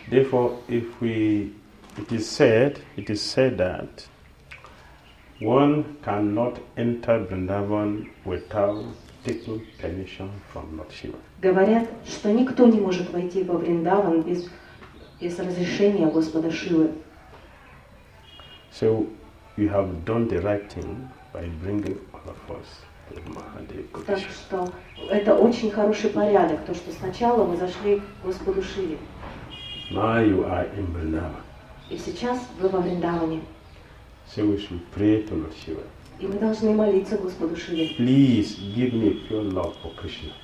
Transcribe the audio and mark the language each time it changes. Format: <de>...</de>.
<en>Therefore, if we, it is said that one cannot enter Vrindavan without taking permission from Lord Shiva.</en> <ru>Говорят, что никто не может войти во Вриндаван без разрешения Господа Шивы.</ru> <en>So you have done the right thing by bringing all of us to Mahadev Kutisha.</en> <ru>Так что это очень хороший порядок, то что сначала мы зашли к Господу Шиве.</ru> <en>Now you are in Vrindavan.</en> <ru>И сейчас вы во Вриндаване.</ru> <en>So we should pray to Lord Shiva.</en> <ru>И мы должны молиться Господу Шиве.</ru> <en>Please give me pure love for Krishna.</en>